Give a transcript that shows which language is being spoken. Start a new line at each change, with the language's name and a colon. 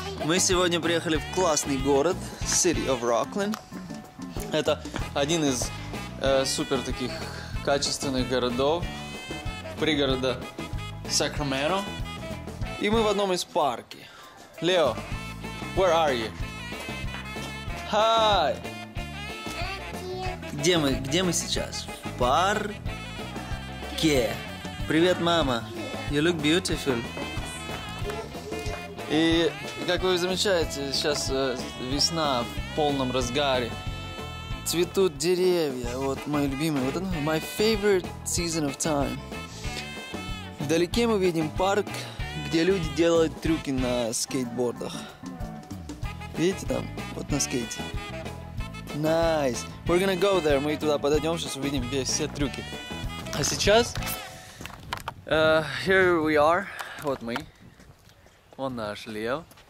Russian: Мы сегодня приехали в классный город City of Rockland. Это один из супер таких качественных городов пригорода Сакраменто. И мы в одном из парков.
English: Лео, where are you? Hi!
Russian: Где мы сейчас? В парке. Привет, мама.
English: You look beautiful.
Russian: И, как вы замечаете, сейчас весна в полном разгаре. Цветут деревья. Вот мои любимые. Вот это
English: my favorite season of time.
Russian: Вдалеке мы видим парк, где люди делают трюки на скейтбордах. Видите там? Вот на скейте.
English: Nice. We're gonna go there.
Russian: Мы туда подойдем, сейчас увидим все трюки. А сейчас...
English: here we are.
Russian: Вот мы. Вон наш Лео.